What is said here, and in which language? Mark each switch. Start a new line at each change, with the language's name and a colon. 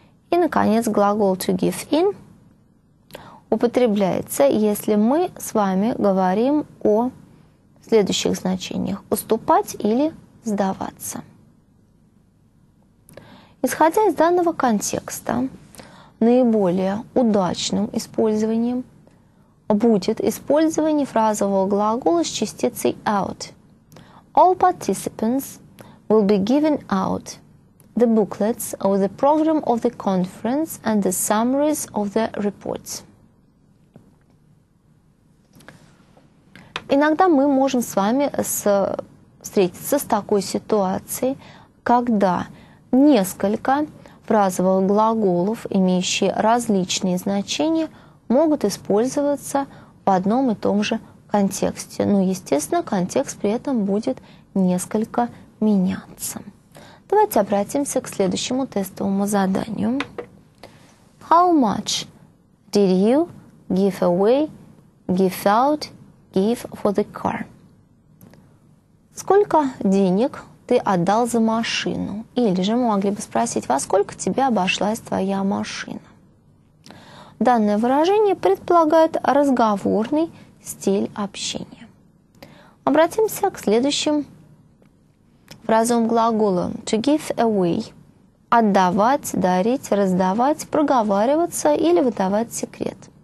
Russian: И, наконец, глагол to give in употребляется, если мы с вами говорим о следующих значениях – уступать или сдаваться. Исходя из данного контекста, наиболее удачным использованием будет использование фразового глагола с частицей out.
English: All participants will be given out the booklets of the program of the conference and the summaries of the reports.
Russian: Иногда мы можем с вами встретиться с такой ситуацией, когда несколько фразовых глаголов, имеющие различные значения, могут использоваться в одном и том же контексте. Но, естественно, контекст при этом будет несколько меняться. Давайте обратимся к следующему тестовому заданию.
English: How much did you give away, give out, give for the car?
Russian: Сколько денег ты отдал за машину? Или же мы могли бы спросить, во сколько тебе обошлась твоя машина? Данное выражение предполагает разговорный стиль общения. Обратимся к следующим фразовым глаголом to give away – отдавать, дарить, раздавать, проговариваться или выдавать секрет.